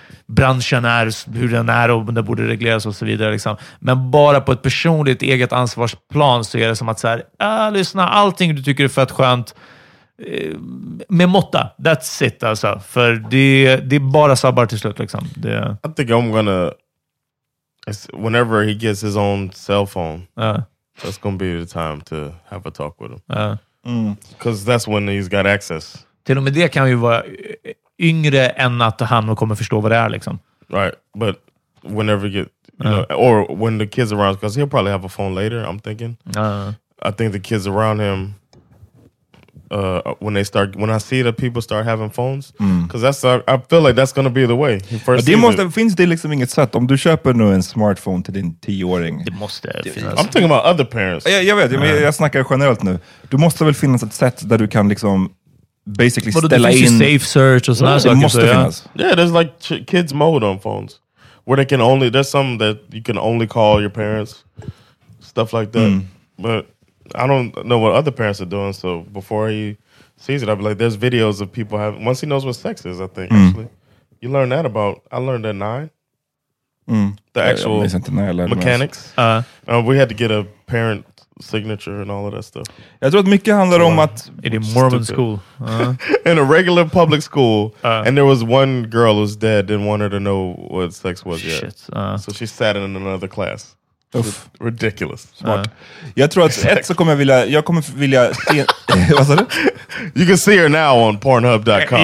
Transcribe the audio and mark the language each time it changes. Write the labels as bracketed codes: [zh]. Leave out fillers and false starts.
[sv] branschen är, hur den är och det borde regleras och så vidare. Liksom. Men bara på ett personligt eget ansvarsplan så är det som att så här, lyssna, allting du tycker är fett skönt med måtta. [en] That's it [sv] alltså. För det är bara sabbar till slut. Liksom. Det... [en] I think I'm gonna whenever he gets his own cell phone, that's gonna be the time to have a talk with him. Because that's when he's got access. [sv] Till och med det kan ju vara yngre än att han kommer förstå vad det är liksom. [en] Right, but whenever you get, you know, or when the kids around, because he'll probably have a phone later, I'm thinking. I think the kids around him, when I see that people start having phones, because I feel like that's gonna be the way. [sv] Finns det liksom inget sätt, om du köper nu en smartphone till din 10-åring? Det måste finnas. [en] I'm thinking about other parents. [sv] Jag snackar generellt nu. Du måste väl finnas ett sätt där du kan liksom basically [en] but [sv] ställa in safe search och sådana saker. Det måste finnas. [en] Yeah, there's like kids mode on phones where they can only, there's some that you can only call your parents, stuff like that. But I don't know what other parents are doing, so before he sees it, I'd be like, there's videos of people have, once he knows what sex is, I think, actually. You learn that about, I learned at 9. The actual mechanics. We had to get a parent signature and all of that stuff. [sv] Jag tror att mycket handlar om att... [en] In a Mormon school. In a regular public school, and there was one girl who's dead, didn't want her to know what sex was yet. Shit. So she sat in another class. Ridiculous. [sv] Jag tror att ett så kommer jag vilja vad sa du? [en] You can see her now on pornhub.com.